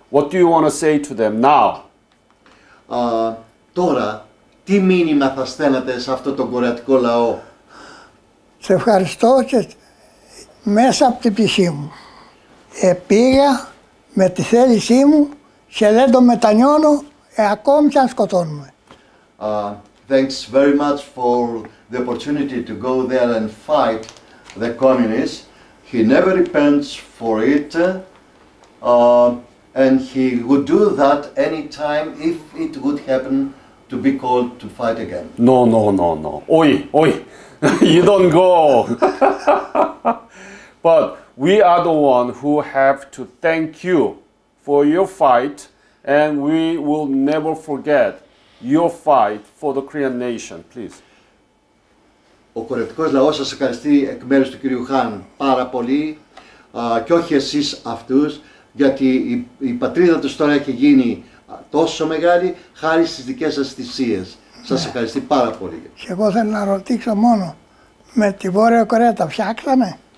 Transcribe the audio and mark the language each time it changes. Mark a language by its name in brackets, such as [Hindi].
[English] What do you want to say to them now? [Greek] Τώρα, τι μήνυμα θα στέλνετε σε αυτό τον κορεατικό λαό? Σε ευχαριστώ και μέσα από την ψυχή μου. Επήγα με τη θέλησή μου και δεν το μετανιώνω ακόμη και αν σκοτώνουμε. [English] Thanks very much for the opportunity to go there and fight the communists. He never repents for it. And he would do that any time if it would happen to be called to fight again. No, no, no, no. Oi, oi. You don't go. But we are the one who have to thank you for your fight, and we will never forget your fight for the Korean nation. Please. [Greek] Ο κορεατικός λαός σας ευχαριστεί εκ μέρους του κυρίου Χάν πάρα πολύ, και όχι εσείς αυτούς, γιατί η πατρίδα τους τώρα έχει γίνει τόσο μεγάλη χάρη στις δικές σας θυσίες. Σας ευχαριστεί πάρα πολύ. Και εγώ θέλω να ρωτήσω μόνο, με τη Βόρεια Κορέα τα φτιάξαμε?